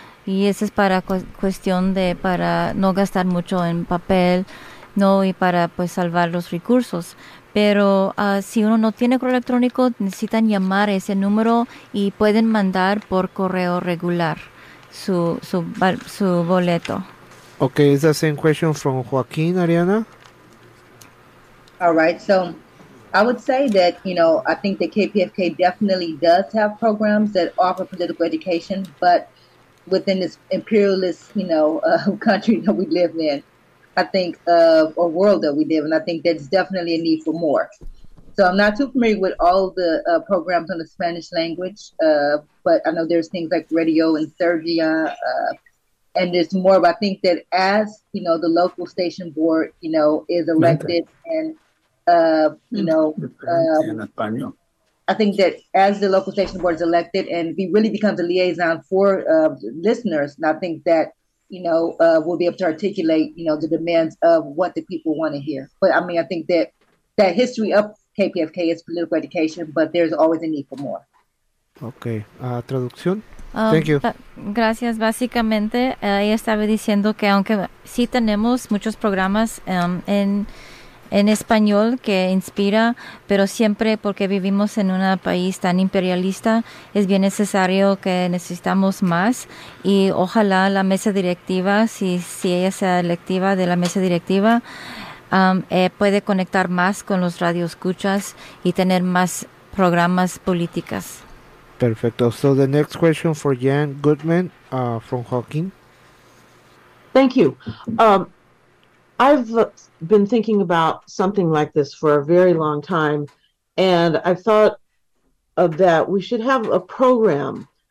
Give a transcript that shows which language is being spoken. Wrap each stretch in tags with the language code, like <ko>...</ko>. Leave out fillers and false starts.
<es>Y ese es para cuestión de para no gastar mucho en papel, ¿no? Y para pues salvar los recursos. Pero si uno no tiene correo electrónico, necesitan llamar a ese número y pueden mandar por correo regular su boleto.</es> <en>Okay, it's the same question from Joaquin, Ariana. All right. So I would say that, I think that KPFK definitely does have programs that offer political education, but within this imperialist, country that we live in, I think a world that we live in, I think there's definitely a need for more. So I'm not too familiar with all the programs on the Spanish language, but I know there's things like radio in Serbia, and there's more. But I think that as the local station board, is elected, and I think that as the local station board is elected and he really becomes a liaison for listeners, and I think that we'll be able to articulate the demands of what the people want to hear. But I mean, I think that history of KPFK is political education, but there's always a need for more. Okay, traducción. Thank you.</en> <es>Gracias. Básicamente, ella estaba diciendo que aunque sí tenemos muchos programas en español que inspira, pero siempre porque vivimos en un país tan imperialista, es bien necesario que necesitamos más. Y ojalá la mesa directiva, si ella sea electiva de la mesa directiva, puede conectar más con los radioescuchas y tener más programas políticas. Perfecto.</es> <en>So the next question for Jan Goodman from Hawking. Thank you. I've been thinking about something like this for a very long time, and I thought of that we should have a program.</en>